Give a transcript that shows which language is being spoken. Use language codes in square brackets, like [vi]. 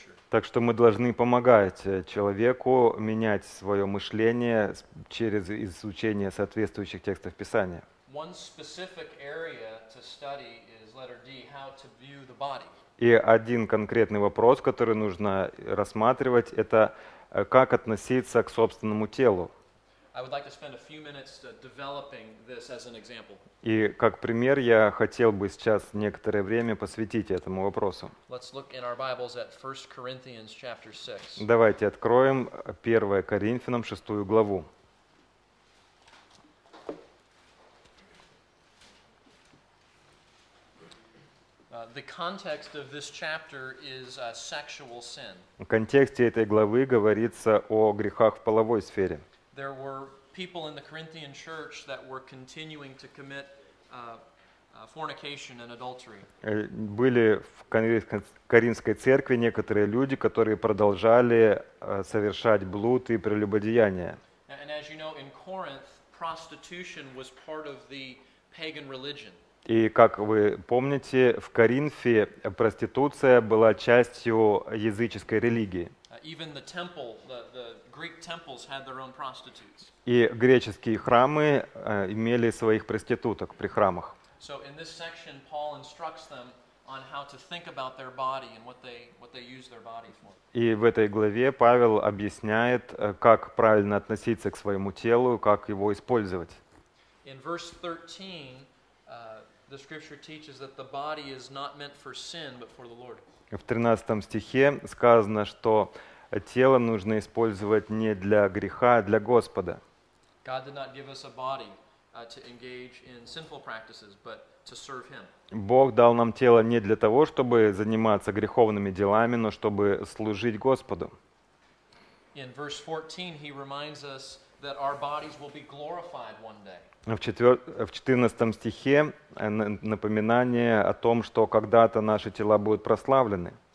[ru] Так что мы должны помогать человеку менять свое мышление через изучение соответствующих текстов Писания. [en] One specific area to study is letter D, how to view the body. [ru] И один конкретный вопрос, который нужно рассматривать, это как относиться к собственному телу. [en] I would like to spend a few minutes developing this as an example. [ru] И как пример, я хотел бы сейчас некоторое время посвятить этому вопросу. [en] Let's look in our Bibles at 1 Corinthians chapter 6. [ru] Давайте откроем 1 Коринфянам 6 главу. [en] The context of this chapter is sexual sin. [ru] В контексте этой главы говорится о грехах в половой сфере. [en] There were people in the Corinthian church that were continuing to commit fornication and adultery. [ru] Были в Коринфской церкви некоторые люди, которые продолжали совершать блуд и прелюбодеяние. [en] And as you know, in Corinth, prostitution was part of the pagan religion. [ru] И, как вы помните, в Коринфе проституция была частью языческой религии. [en] Even the temple, the Greek temples had their own prostitutes. [ru] И греческие храмы имели своих проституток при храмах. [en] So in this section, Paul instructs them on how to think about their body and what they use their body for. [ru] И в этой главе Павел объясняет, как правильно относиться к своему телу, как его использовать. [en] In verse 13, the scripture teaches that the body is not meant for sin, but for the Lord. [ru] В 13 стихе сказано, что тело нужно использовать не для греха, а для Господа. [en] God did not give us a body to engage in sinful practices, but to serve Him. [ru] Бог дал нам тело не для того, чтобы заниматься греховными делами, но чтобы служить Господу. [en] In verse 14, He reminds us that our bodies will be glorified one day. [ru] В 14 стихе напоминание о том, что когда-то наши тела будут прославлены.